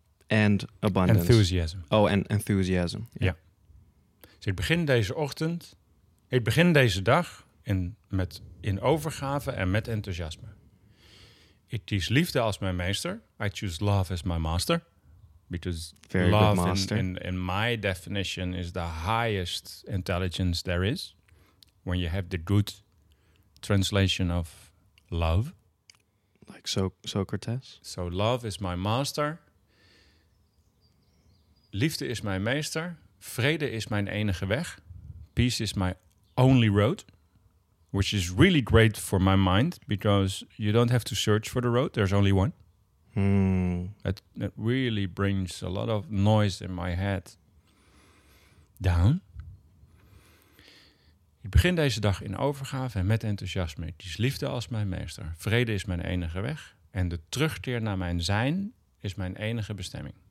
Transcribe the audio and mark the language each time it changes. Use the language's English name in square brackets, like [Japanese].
[English] And abundance. Enthusiasm. Oh, and enthusiasm. Yeah. [Dutch] Ik begin deze ochtend, ik begin deze dag in overgave en met enthousiasme. Ik kies liefde als mijn meester. [English] I choose love as my master. Because very love good master. In my definition is the highest intelligence there is. When you have the good translation of love. Like Socrates. So love is my master. [Dutch] Liefde is mijn meester. Vrede is mijn enige weg. [English] Peace is my only road. Which is really great for my mind. Because you don't have to search for the road. There's only one. That really brings a lot of noise in my head down. [Dutch] Ik begin deze dag in overgave en met enthousiasme. Ik kies liefde als mijn meester. Vrede is mijn enige weg. En de terugkeer naar mijn zijn is mijn enige bestemming.